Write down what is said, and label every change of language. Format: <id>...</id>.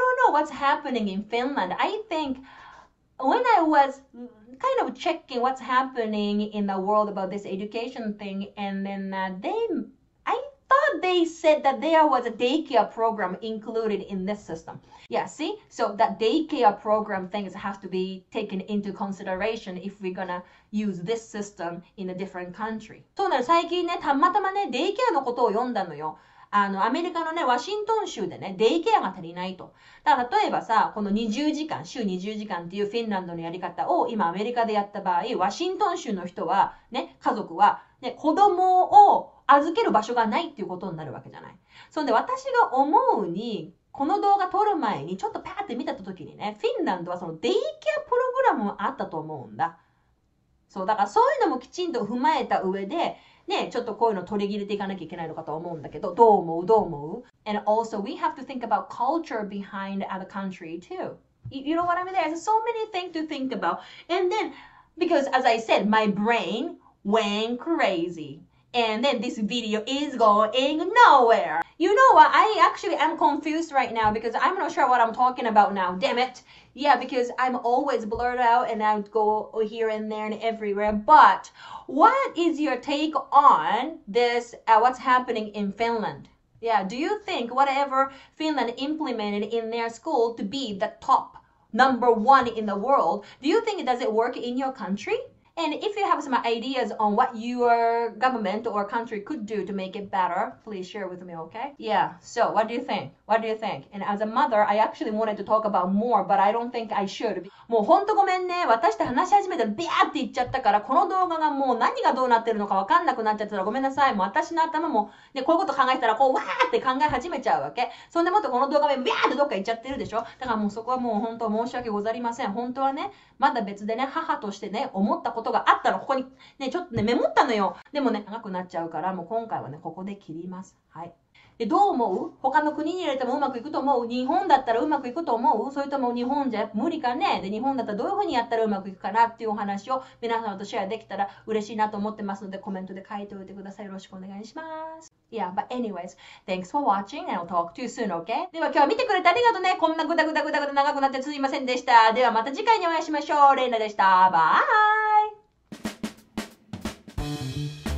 <en>I don't know what's happening in Finland. I think when I was kind of checking what's happening in the world about this education thing, and then I thought they said that there was a daycare program included in this system. Yeah, see? So that daycare program things have to be taken into consideration if we're gonna use this system in a different country.</en> <ja>そうなの、最近ね、たまたまね、デイケアのことを読んだのよ。あの、アメリカのね、ワシントン州でね、デイケアが足りないと。だから、例えばさ、この20時間、週20時間っていうフィンランドのやり方を今アメリカでやった場合、ワシントン州の人は、ね、家族は、ね、子供を預ける場所がないっていうことになるわけじゃない。そんで、私が思うに、この動画撮る前にちょっとパーって見た時にね、フィンランドはそのデイケアプログラムもあったと思うんだ。そう、だからそういうのもきちんと踏まえた上で、ね、ちょっとこういうの取り入れていかなきゃいけないのかと思うんだけど、どう思う？どう思う？</ja> <en>And also, we have to think about culture behind other country too. You know what I mean? There's so many things to think about. And then, because as I said, my brain went crazy. And then this video is going nowhere. You know what? I actually am confused right now because I'm not sure what I'm talking about now. Damn it. Yeah, because I'm always blurred out and I'd go here and there and everywhere. But... What is your take on this, what's happening in Finland? Yeah, do you think whatever Finland implemented in their school to be the top number one in the world, do you think does it work in your country? And if you have some ideas on what your government or country could do to make it better, please share with me, okay? Yeah, so what do you think? What do you think? And as a mother, I actually wanted to talk about more, but I don't think I should.</en> <ja>もう本当ごめんね。私って話し始めたらビャーって言っちゃったから、この動画がもう何がどうなってるのかわかんなくなっちゃったらごめんなさい。もう私の頭も、ね、こういうこと考えたらこうわーって考え始めちゃうわけ。そんでもっとこの動画がビャーってどっか行っちゃってるでしょ。だからもうそこはもう本当申し訳ございません。本当はね、まだ別でね、母としてね、思ったことがあったの。ここにね、ちょっとね、メモったのよ。でもね、長くなっちゃうから、もう今回はね、ここで切ります。はい。でどう思う？他の国に入れてもうまくいくと思う？日本だったらうまくいくと思う？それとも日本じゃ無理かね？で日本だったらどういうふうにやったらうまくいくかなっていうお話を皆さんとシェアできたら嬉しいなと思ってますので、コメントで書いておいてください。よろしくお願いします。</ja> <en>Yeah, but anyways, thanks for watching and I'll talk to you soon, okay?</en> <ja>では今日は見てくれてありがとうね。こんなグダグダグダグダ長くなってすいませんでした。ではまた次回にお会いしましょう。レイナでした。バイ。</ja>